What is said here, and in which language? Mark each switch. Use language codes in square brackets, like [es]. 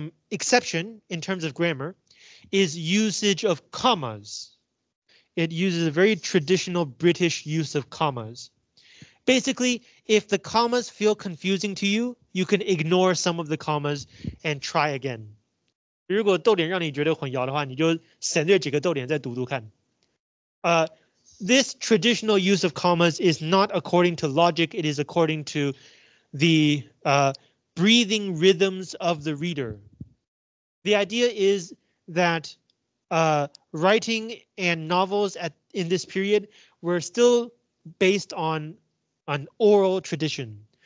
[en] exception in terms of grammar is usage of commas. It uses a very traditional British use of commas. Basically, if the commas feel confusing to you, you can ignore some of the commas and try again. [zh] 如果逗点让你觉得混淆的话，你就省略几个逗点再读读看。 [en] This traditional use of commas is not according to logic. It is according to the breathing rhythms of the reader. The idea is that writing and novels at in this period were still based on an oral tradition.